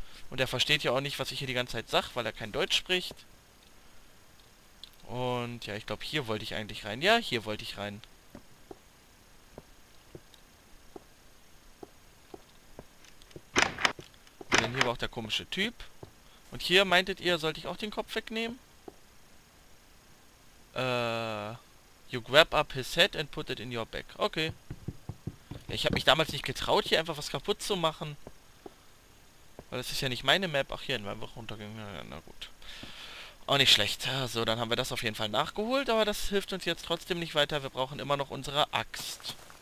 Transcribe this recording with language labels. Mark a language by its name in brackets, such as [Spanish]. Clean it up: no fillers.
[German] Und er versteht ja auch nicht, was ich hier die ganze Zeit sage, weil er kein Deutsch spricht. Und ja, ich glaube, hier wollte ich eigentlich rein. Ja, hier wollte ich rein. Und dann hier war auch der komische Typ. Und hier, meintet ihr, sollte ich auch den Kopf wegnehmen? [English] You grab up his head and put it in your bag. Okay. [German] Ja, ich habe mich damals nicht getraut, hier einfach was kaputt zu machen. Weil das ist ja nicht meine Map. Ach, hier in meinem Wochenuntergang. Na gut. Auch nicht schlecht. So, dann haben wir das auf jeden Fall nachgeholt. Aber das hilft uns jetzt trotzdem nicht weiter. Wir brauchen immer noch unsere Axt.